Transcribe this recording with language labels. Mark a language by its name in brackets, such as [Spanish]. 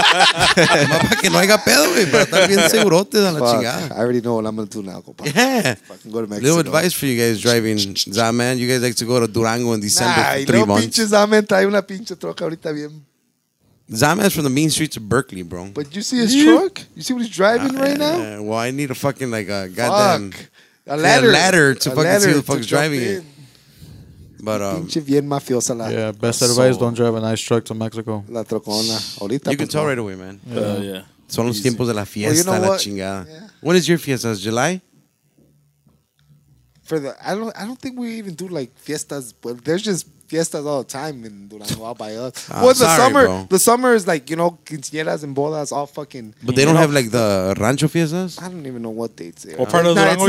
[Spanish] Mapa que no haya pedo, güey, pero está bien segurote de la chingada. [English] I already know what I'm going to do now, compa. Yeah. Fucking go to Mexico. Little advice for you guys driving, Zaman. You guys like to go to Durango in December for 3 months. [Spanish] Nah, y no pinche Zaman, trae una pinche troca ahorita bien. [English] Zaman's from the mean streets of Berkeley, bro. But you see his truck? You see what he's driving right now? Well, I need a fucking, like, a goddamn... Fuck. A ladder. A ladder to fucking see who the fuck's driving it. But best advice: don't drive a nice truck to Mexico. [Spanish] La trocona, ahorita. [English] You can tell right away, man. Yeah. [Spanish] Son los tiempos de la fiesta, la chingada. [English] When is your fiesta? Is July? I don't think we even do like fiestas. But there's just fiestas all the time in Durango all by us. Well, the summer is like, you know, quinceañeras and bodas all fucking. But they don't have like the rancho fiestas. I don't even know what dates. What part of Durango are you